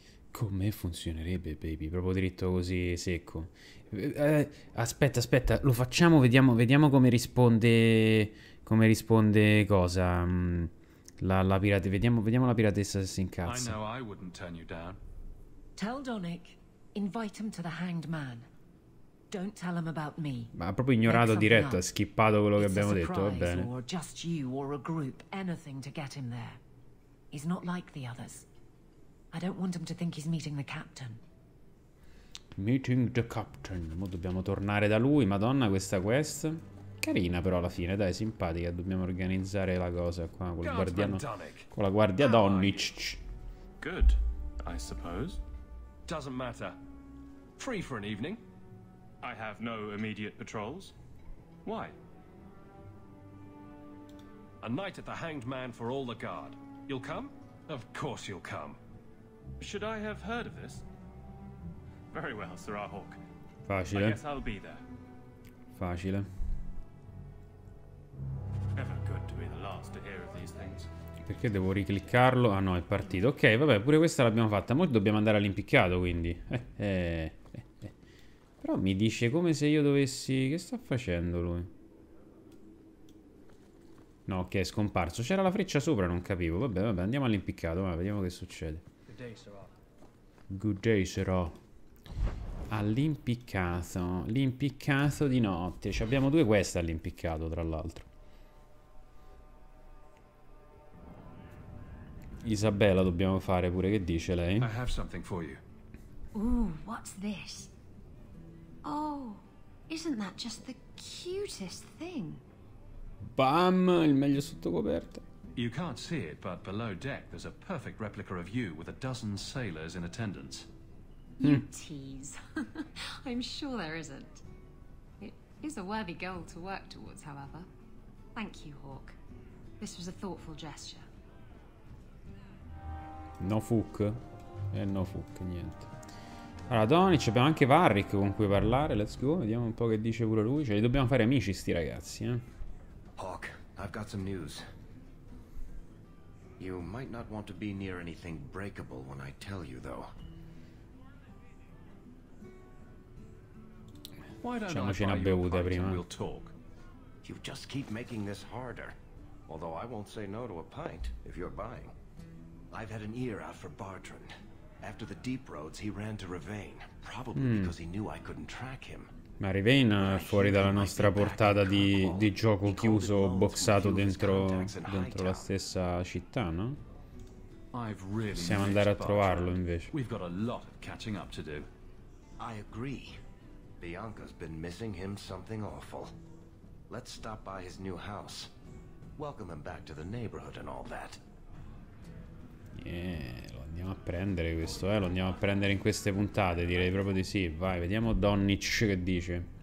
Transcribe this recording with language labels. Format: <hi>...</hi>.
<it>Come funzionerebbe, baby? Proprio dritto così secco. Aspetta, aspetta, lo facciamo, vediamo come risponde. Come risponde cosa? La pirata. Vediamo la piratessa se si incazza.</it> <en>I wouldn't turn you down. Tell Donick, invite him to the hanged man. Don't tell him about me.</en> <it>Ma ha proprio ignorato diretto, ha skippato quello che abbiamo detto. Va bene.</it> <en>Or just you or a group, anything to get him there. He's not like the others. I don't want him to think he's meeting the captain. Meeting the captain.</en> <it>Mo dobbiamo tornare da lui. Madonna, questa quest. Carina però alla fine, dai, simpatica. Dobbiamo organizzare la cosa qua col guardiano. Con la guardia Donnich.</it> <en>Good, I suppose. Doesn't matter. Free for an evening. I have no immediate patrols. Why? A night at the hanged man for all the guard. You'll come? Of course you'll come. Should I have heard of this? Very well, Sirrah Hawk.</en> <it>Facile.</it> <en>I guess I'll be there.</en> <it>Facile.</it> <en>Ever good to be the last to hear of these things.</en> <it>Perché devo ricliccarlo? Ah no, è partito. Ok, vabbè, pure questa l'abbiamo fatta. Ora dobbiamo andare all'impiccato, quindi. Però mi dice come se io dovessi... Che sta facendo lui? No, ok, è scomparso. C'era la freccia sopra, non capivo. Vabbè, vabbè, andiamo all'impiccato. Vabbè, vediamo che succede.</it> <en>Good day,</en> <it>Sirrah. All'impiccato. L'impiccato di notte. Ci abbiamo due quest all'impiccato, tra l'altro. Isabella dobbiamo fare pure, che dice lei?</it> <en>I have something for you. Ooh, what's this? Oh, isn't that just the cutest thing?</en> <it>Bam, il meglio sotto coperta.</it> <en>You can't see it, but below deck there's a perfect replica of you with a dozen sailors in attendance. You tease. I'm sure there isn't. It is a worthy goal to work towards, however. Thank you, Hawk. This was a thoughtful gesture. No fuck. No fuck, niente.</en> <it>Allora, Donic, abbiamo anche Varric con cui parlare.</it> <en>Let's go,</en> <it>vediamo un po' che dice pure lui. Cioè, li dobbiamo fare amici, sti ragazzi, eh.</it> <en>Hawk, I've got some news. You might not want to be near anything breakable when I tell you, though.</en> <it>Facciamoci una bevuta prima.</it> <en>You just keep making this harder. Although I won't say no to a pint if you're buying. I've had an ear out for Bartran. After the deep roads, he ran to Ravain, probably because he knew I couldn't track him.</en> <it>Ma Ravain fuori dalla nostra portata di gioco chiuso, boxato dentro la stessa città, no? Possiamo andare a trovarlo invece.</it> <en>We've got a lot of catching up to do. I agree. Bianca's been missing him something awful. Let's stop by his new house. Welcome him back to the neighborhood and all that.</en> <it>Yeah, lo andiamo a prendere questo, lo andiamo a prendere in queste puntate, direi proprio di sì. Vai, vediamo Donnich che dice.</it>